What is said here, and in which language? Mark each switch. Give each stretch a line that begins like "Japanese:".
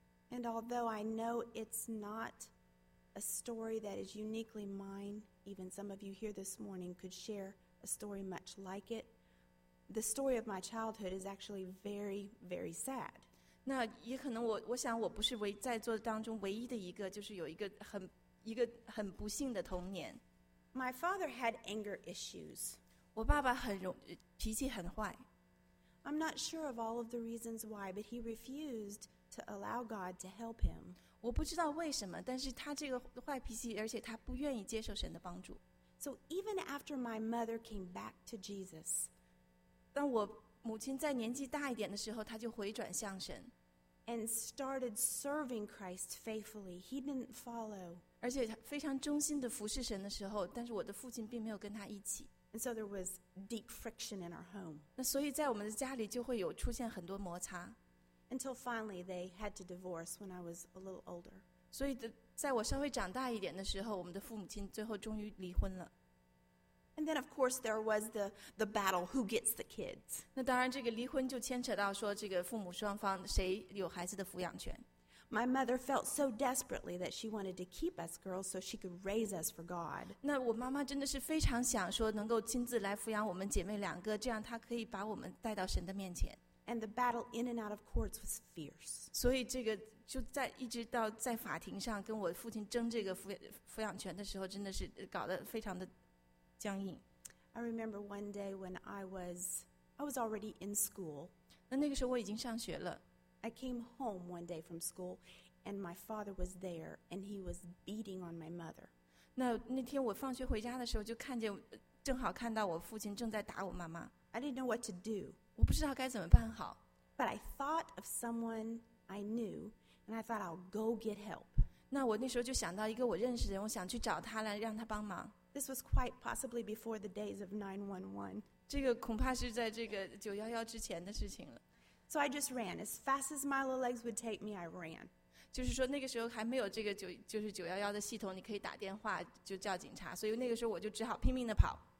English: And although I know it's not a story that is uniquely mine, even some of you here this morning could share a story much like it, the story of my childhood is actually very, very sad.
Chinese: 那也可能我想我不是在座当中唯一的一个，就是有一个很不幸的童年。
English: My father had anger issues.
Chinese: 我爸爸脾气很坏。
English: I'm not sure of all of the reasons why, but he refused to allow God to help him.
Chinese: 我不知道为什么，但是他这个坏脾气，而且他不愿意接受神的帮助。
English: So even after my mother came back to Jesus,
Chinese: 当我母亲在年纪大一点的时候，她就回转向神
English: ，and started serving Christ faithfully. He didn't follow.
Chinese: 而且非常忠心地服侍神的时候，但是我的父亲并没有跟他一起。
English: And so there was deep friction in our home.
Chinese: 那所以在我们的家里就会有出现很多摩擦。
English: Until finally they had to divorce when I was a little older.
Chinese: 所以在我稍微长大一点的时候，我们的父母亲最后终于离婚了。
English: And then, of course, there was the battle who gets the kids.
Chinese: 那当然，这个离婚就牵扯到说，这个父母双方谁有孩子的抚养权。
English: My mother felt so desperately that she wanted to keep us girls so she could raise us for God.
Chinese: 那我妈妈真的是非常想说能够亲自来抚养我们姐妹两个，这样她可以把我们带到神的面前。
English: And the battle in and out of courts was fierce.
Chinese: 所以这个就在一直到在法庭上跟我父亲争这个抚养权的时候，真的是搞得非常的。
English: I remember one day when I was already in school.
Chinese: 那个时候我已经上学了。
English: I came home one day from school, and my father was there, and he was beating on my mother.
Chinese: 那天我放学回家的时候，就看见，正好看到我父亲正在打我妈妈。
English: I didn't know what to do.
Chinese: 我不知道该怎么办好。
English: But I thought of someone I knew, and I thought I'll go get help.
Chinese: 那我那时候就想到一个我认识的人，我想去找他来让他帮忙。
English: This was quite possibly before the days of 911.
Chinese: 这个恐怕是在这个911之前的事情了。
English: So I just ran as fast as my little legs would take me. I ran.
Chinese: 就是说那个时候还没有这个就是911的系统，你可以打电话就叫警察，所以那个时候我就只好拼命的跑。